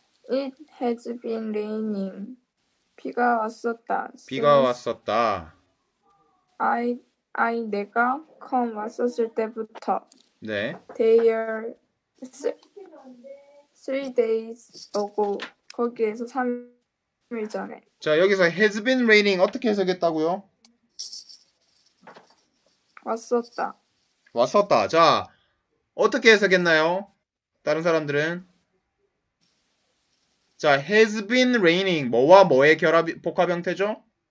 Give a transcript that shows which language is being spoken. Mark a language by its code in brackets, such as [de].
[en] It has been raining. [ko] 비가 왔었다. 비가 [en] Since [ko] 왔었다. I 내가 [en] come [ko] 왔었을 때부터 네. [en] there three days ago [ko] 거기에서 3일 전에 자, 여기서 has been raining 어떻게 해석했다고요? 왔었다. 왔었다. 자, 어떻게 해석했나요? 다른 사람들은? 자, has been raining. 뭐와 뭐의 결합, 복합 형태죠?